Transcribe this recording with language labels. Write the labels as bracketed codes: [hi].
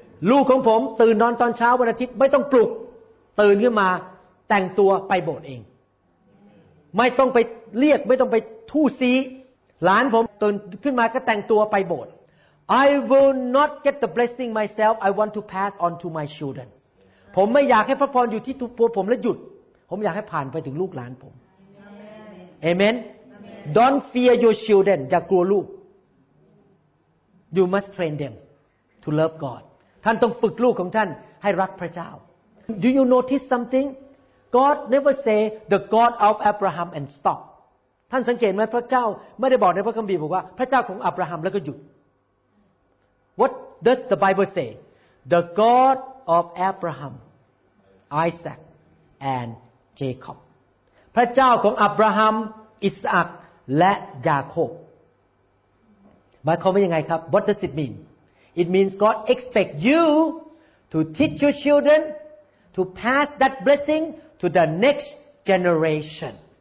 [th] ลูกของผมตื่นนอนตอนเช้าวันอาทิตย์ไม่ต้องปลุกตื่นขึ้นมาแต่งตัวไปโบสถ์เองไม่ต้องไปเรียกไม่ต้องไปทู่ซีหลานผมตื่นขึ้นมาก็แต่งตัวไปโบสถ์ [en] I will not get the blessing myself I want to pass on to my children [th] ผมไม่อยากให้พระพรอยู่ที่ตัวผมและหยุดผมอยากให้ผ่านไปถึงลูกหลานผม Amen. Amen. [en] Amen Don't fear your children [th] อย่ากลัวลูก [en] You must train them to love God [th] ท่านต้องฝึกลูกของท่านให้รักพระเจ้า [en] Do you notice something? God never say the God of Abraham and stop. [th] ท่านสังเกตไหมพระเจ้าไม่ได้บอกในพระคัมภีร์บอกว่าพระเจ้าของอับราฮัมแล้วก็หยุด [en] What does the Bible say? The God of Abraham, Isaac, and Jacob. [th] พระเจ้าของอับราฮัมอิสอัคและยาโคบหมายความว่ายังไงครับ [en] What does it meanIt means God expects you to teach your children to pass that blessing to the next generation.